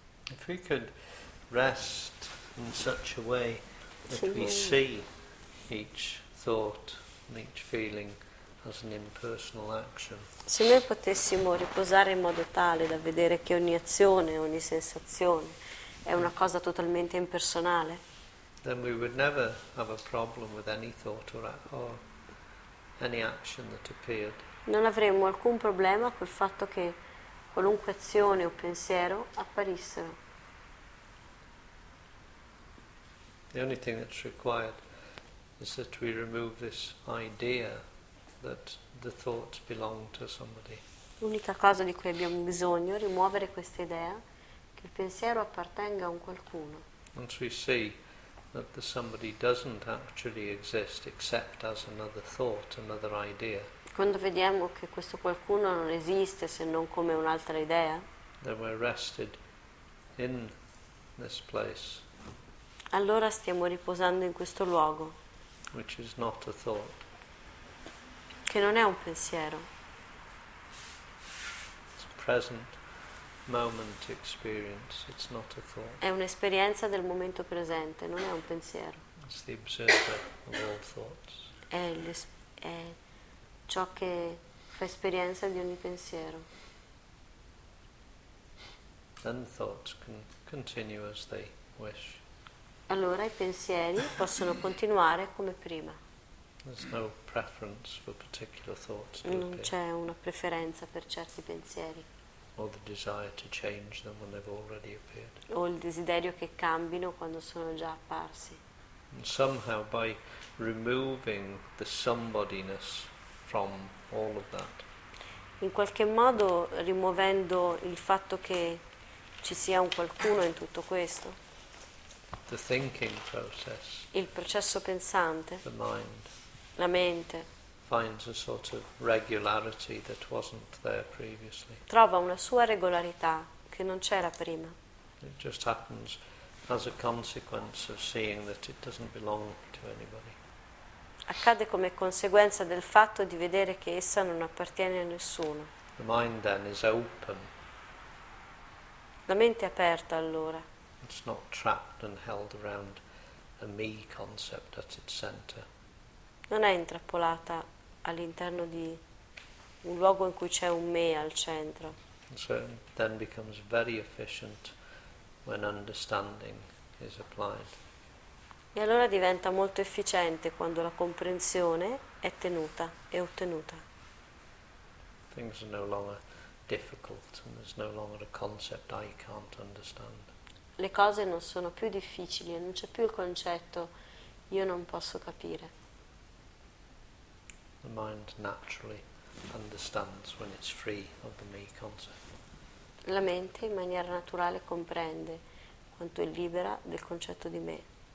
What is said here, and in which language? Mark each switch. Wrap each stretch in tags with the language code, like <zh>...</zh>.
<en>If we could rest in such a way that we see each thought and each feeling as an impersonal action.</en> <it>Se noi potessimo riposare in modo tale da vedere che ogni azione, ogni sensazione è una cosa totalmente impersonale.</it> <en>Then we would never have a problem with any thought or any action that appeared.</en> <it>Non avremmo alcun problema col fatto che qualunque azione o pensiero apparissero.</it> <en>The only thing that's required is that we remove this idea that the thoughts belong to somebody.</en> <it>L'unica cosa di cui abbiamo bisogno è rimuovere questa idea che il pensiero appartenga a un qualcuno.</it> <en>Once we see that the somebody doesn't actually exist except as another thought, another idea.</en> <it>Quando vediamo che questo qualcuno non esiste se non come un'altra idea.</it> <en>Then we're rested in this place.</en> <it>Allora stiamo riposando in questo luogo.</it> <en>Which is not a thought.</en> <it>Che non è un pensiero.</it> <en>It's a present moment experience. It's not a thought.</en> <it>È un'esperienza del momento presente, non è un pensiero.</it> <en>It's the observer of all thoughts.</en> <it>È ciò che fa esperienza di ogni pensiero.</it> <en>Then thoughts can continue as they wish.</en> <it>Allora i pensieri possono continuare come prima.</it> <en>There's no preference for particular thoughts.</en> <it>Non c'è una preferenza per certi pensieri.</it> <en>Or the desire to change them when they've already appeared.</en> <it>O il desiderio che cambino quando sono già apparsi.</it> <en>And somehow by removing the somebodyness from all of that.</en> <it>In qualche modo rimuovendo il fatto che ci sia un qualcuno in tutto questo.</it> <en>The thinking process,</en> <it>il processo pensante,</it> <en>the mind,</en> <it>la mente,</it> <en>finds a sort of regularity that wasn't there previously.</en> <it>Trova una sua regolarità che non c'era prima.</it> <en>It just happens as a consequence of seeing that it doesn't belong to anybody.</en> <it>Accade come conseguenza del fatto di vedere che essa non appartiene a nessuno.</it> <en>The mind then is open.</en> <it>La mente è aperta allora.</it> <en>It's not trapped and held around a me concept at its center.</en> <it>Non è intrappolata all'interno di un luogo in cui c'è un me al centro.</it> <en>And so it then becomes very efficient when understanding is applied.</en> <it>E allora diventa molto efficiente quando la comprensione è tenuta e ottenuta.</it> <en>Things are no longer difficult and there's no longer a concept I can't understand.</en> <it>Le cose non sono più difficili e non c'è più il concetto io non posso capire.</it> <en>The mind naturally understands when it's free of the me concept.</en> <it>La mente in maniera naturale comprende quanto è libera del concetto di me.</it>